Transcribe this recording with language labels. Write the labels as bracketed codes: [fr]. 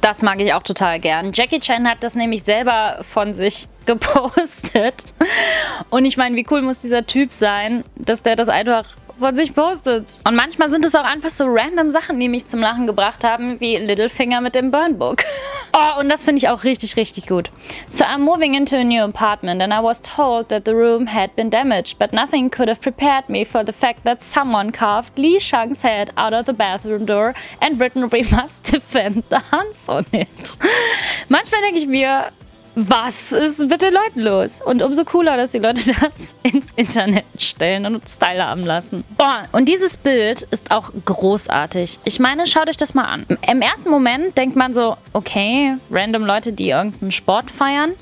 [de] Das mag ich auch total gern. Jackie Chan hat das nämlich selber von sich gepostet. Und ich meine, wie cool muss dieser Typ sein, dass der das einfach von sich postet. Und manchmal sind es auch einfach so random Sachen, die mich zum Lachen gebracht haben, wie Littlefinger mit dem Burnbook. Oh, und das finde ich auch richtig, richtig gut. [en] So I'm moving into a new apartment and I was told that the room had been damaged, but nothing could have prepared me for the fact that someone carved Li Shang's head out of the bathroom door and written we must defend the Huns on it. [de] Manchmal denke ich mir, was ist mit den Leuten los? Und umso cooler, dass die Leute das ins Internet stellen und Style haben lassen. Boah, und dieses Bild ist auch großartig. Ich meine, schaut euch das mal an. Im ersten Moment denkt man so, okay, random Leute, die irgendeinen Sport feiern.